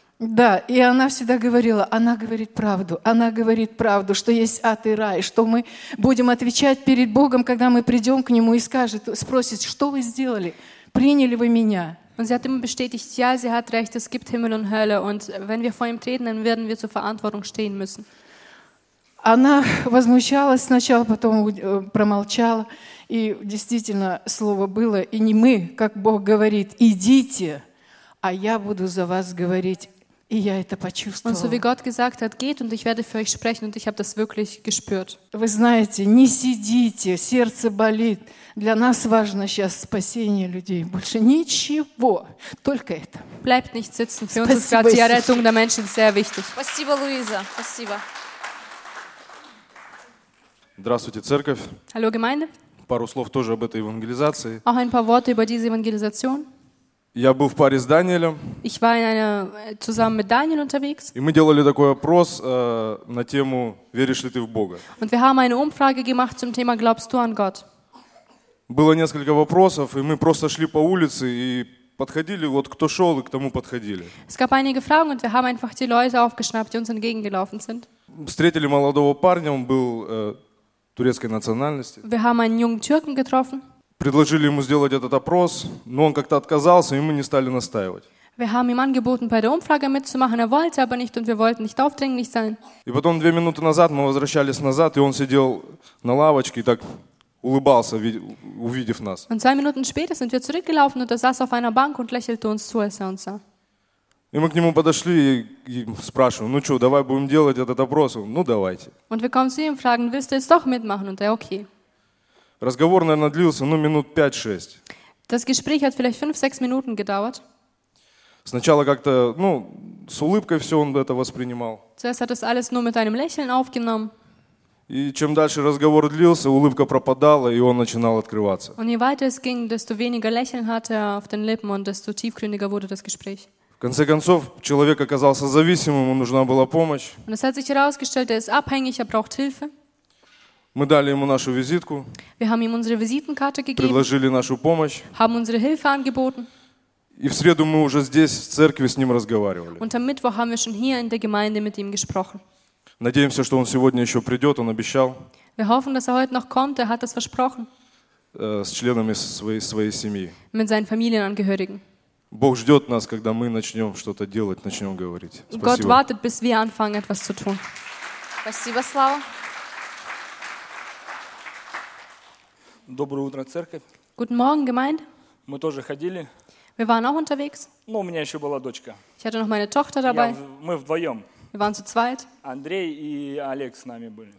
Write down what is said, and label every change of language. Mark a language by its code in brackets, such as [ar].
[ru] Да, и она всегда говорила, она говорит правду, что есть ад и рай, что мы будем отвечать перед Богом, когда мы придем к Нему и скажет, спросит, что вы сделали, приняли вы меня. [de] Und sie hat immer bestätigt, ja, sie hat recht, es gibt Himmel und Hölle und wenn wir vor ihm treten, dann werden wir zur Verantwortung stehen müssen. [ru] Она возмущалась сначала, потом промолчала, и действительно слово было, и не мы, как Бог говорит, идите, а я буду за вас говорить. И я это почувствовала. [de] Und so wie Gott gesagt hat, geht und ich werde für euch sprechen und ich habe das wirklich gespürt. [ru] Вы знаете, не сидите, сердце болит. Для нас важно сейчас спасение людей. Больше ничего, только это. [de] Bleibt nicht sitzen. Für uns ist gerade die Errettung der Menschen sehr wichtig. [ru] Спасибо, Луиза. Спасибо. Здравствуйте, церковь. [de] Hallo, Gemeinde. [ru] Пару слов тоже об этой евангелизации. [de] Auch ein paar Worte über diese Evangelisation. [ru] Я был в паре с Даниэлем. [de] Ich war in einer, zusammen mit Daniel unterwegs. [ru] И мы делали такой опрос на тему «Веришь ли ты в Бога?». [de] Und wir haben eine Umfrage gemacht zum Thema «Glaubst du an Gott?». [ru] Было несколько вопросов, и мы просто шли по улице и подходили, вот кто шел, и к тому подходили. [de] Es gab einige Fragen und wir haben einfach die Leute aufgeschnappt, die uns entgegengelaufen sind. [ru] Встретили молодого парня, он был турецкой национальности. [de] Wir haben einen jungen Türken getroffen. [ru] Предложили ему сделать этот опрос, но он как-то отказался, и мы не стали настаивать. [de] Wir haben ihm angeboten, bei der Umfrage mitzumachen. Er wollte aber nicht und wir wollten nicht aufdringlich sein. [ru] И потом две минуты назад мы возвращались назад, и он сидел на лавочке и так улыбался, увидев нас. [de] Und zwei Minuten später sind wir zurückgelaufen und er saß auf einer Bank und lächelte uns zu, als er uns sah. [ru] И мы к нему подошли и спрашиваем, ну что, давай будем делать этот опрос? Ну давайте. [de] Und wir kommen zu ihm und fragen, willst du jetzt doch mitmachen? Und er, okay. [ru] Разговор, наверное, длился, ну, минут 5-6. [de] Das Gespräch hat vielleicht 5-6 Minuten gedauert. [ru] Сначала как-то, ну, с улыбкой все он это воспринимал. [de] Zuerst hat das alles nur mit einem Lächeln aufgenommen. [ru] И чем дальше разговор длился, улыбка пропадала, и он начинал открываться. [de] Und je weiter es ging, desto weniger Lächeln hatte er auf den Lippen und desto tiefgründiger wurde das Gespräch. [ru] В конце концов, человек оказался зависимым, ему нужна была помощь. [de] Und es hat sich herausgestellt, er ist abhängig, er braucht Hilfe. [ru] Мы дали ему нашу визитку. [de] Wir haben ihm unsere Visitenkarte gegeben. [ru] Предложили нашу помощь. [de] Haben unsere Hilfe angeboten. [ru] И в среду мы уже здесь в церкви с ним разговаривали. [de] Und am Mittwoch haben wir schon hier in der Gemeinde mit ihm gesprochen. [ru] Надеемся, что он сегодня еще придет, он обещал. [de] Wir hoffen, dass er heute noch kommt. Er hat das versprochen. [ru] С членами своей семьи. [de] Mit seinen Familienangehörigen. [ru] Бог ждет нас, когда мы начнем что-то делать, начнем говорить. Спасибо. [de] Gott wartet, bis wir anfangen, etwas zu tun. [ru] Спасибо, Слава. Доброе утро, церковь. [de] Guten Morgen, Gemeinde. [ru] Мы тоже ходили. [de] Wir waren auch unterwegs. [ru] Ну, у меня еще была дочка. [de] Ich hatte noch meine Tochter dabei. [ru] Мы вдвоем. [de] Wir waren zu zweit. [ru] Андрей и Олег с нами были.